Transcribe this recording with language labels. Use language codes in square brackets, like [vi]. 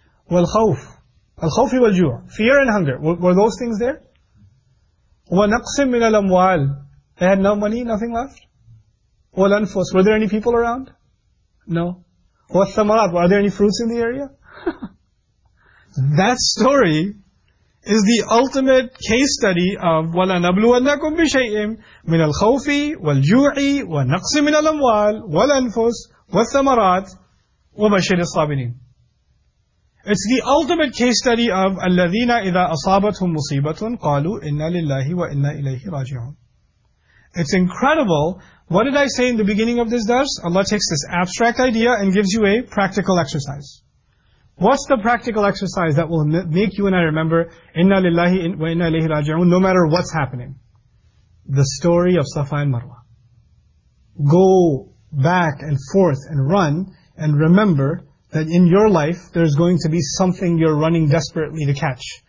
[ar] وَالْخَوْفِ الْخَوْفِ وَالْجُوعِ [en] Fear and hunger. Were those things there? [ar] وَنَقْسِمْ مِنَ الْأَمْوَالِ [en] They had no money, nothing left? [ar] وَالْأَنْفُسِ [en] Were there any people around? No. [ar] وَالثَّمَرَاتِ [en] Are there any fruits in the area? That story is the ultimate case study of [ar] وَلَنَبْلُوَنَّكُمْ بِشَيْءٍ مِنَ الْخَوْفِ وَالْجُوعِ وَنَقْسِمْ مِنَ الْأَمْوَالِ وَالْأَنْفُسِ وَالثَّمَرَاتِ وَبَشِّرِ الصَّابِرِينَ [en] It's the ultimate case study of [ar] الَّذِينَ إِذَا أَصَابَتْهُمْ مُصِيبَةٌ قَالُوا إِنَّا لِلَّهِ وَإِنَّا إِلَيْهِ رَاجِعُونَ [en] It's incredible. What did I say in the beginning of this dars? Allah takes this abstract idea and gives you a practical exercise. What's the practical exercise that will make you and I remember [ar] إِنَّا لِلَّهِ وَإِنَّا إِلَيْهِ رَاجِعُونَ [en] No matter what's happening. The story of Safa and Marwa. Go back and forth and run and remember that in your life, there's going to be something you're running desperately to catch.